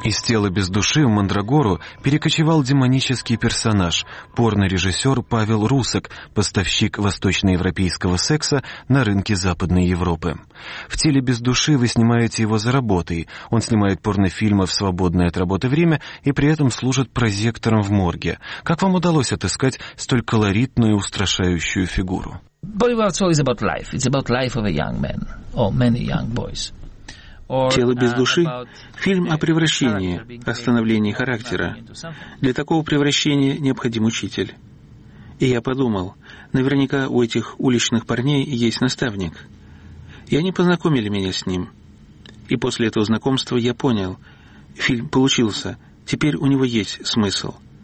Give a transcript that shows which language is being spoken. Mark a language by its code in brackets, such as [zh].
[ru] Из тела без души в мандрагору перекочевал демонический персонаж – порно-режиссер Павел Русак, поставщик восточноевропейского секса на рынке Западной Европы. В теле без души вы снимаете его за работой. Он снимает порнофильмы в свободное от работы время и при этом служит прозектором в морге. Как вам удалось отыскать столь колоритную и устрашающую фигуру? [en] Body World Soul is about life. It's about life of a young man or many young boys. [ru] «Тело без души» — фильм о превращении, о становлении характера. Для такого превращения необходим учитель. И я подумал, наверняка у этих уличных парней есть наставник. И они познакомили меня с ним. И после этого знакомства я понял, фильм получился, теперь у него есть смысл.